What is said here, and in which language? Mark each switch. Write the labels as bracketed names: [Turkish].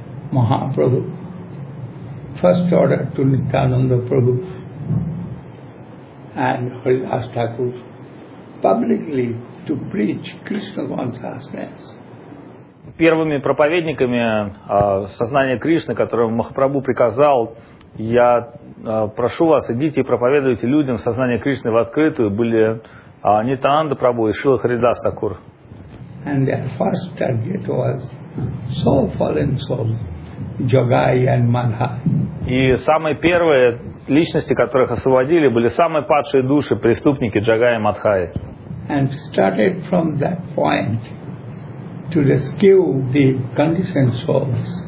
[English] Махапрабху. First order to Nityananda Prabhu and Haridas Thakur publicly to preach Krishna consciousness. [Russian] Первыми проповедниками сознания Кришны, которым Махапрабху приказал, я прошу вас, идите и проповедуйте людям сознание Кришны в открытую, были Нитянанда Прабху и Шрила Харидас Такур. [English] And their first target was soul fallen soul, Jagai and Madha. [Russian] И самые первые личности, которых освободили, были самые падшие души, преступники Джагая и Мадхаи. [English] And started from that point to rescue the conditioned souls.